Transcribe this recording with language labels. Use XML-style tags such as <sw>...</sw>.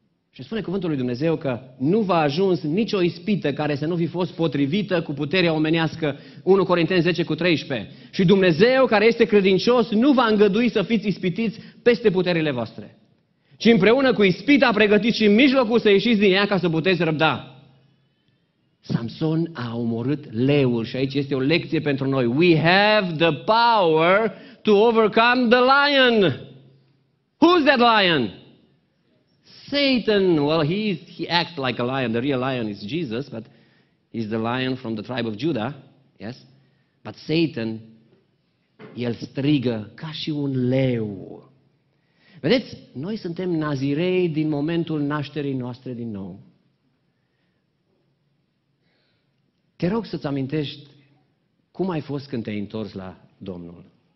<ro>Și spune cuvântul lui Dumnezeu că nu v-a ajuns nicio ispită care să nu fi fost potrivită cu puterea omenească, 1 Corinteni 10 cu 13. Și Dumnezeu, care este credincios, nu va îngădui să fiți ispitiți peste puterile voastre. Și împreună cu ispita a pregătit și mijlocul să ieșiți din ea ca să puteți răbda. Samson a omorât leul și aici este o lecție pentru noi.</ro> <en>We have the power to overcome the lion. Who's that lion? Satan. Well, he acts like a lion. The real lion is Jesus, but he's the lion from the tribe of Judah. Yes?</en> <ro>But Satan, el strigă ca și un leu. Vedeți, noi suntem nazirei din momentul nașterii noastre din nou. Te rog să-ți amintești cum ai fost când te-ai întors la Domnul.</ro>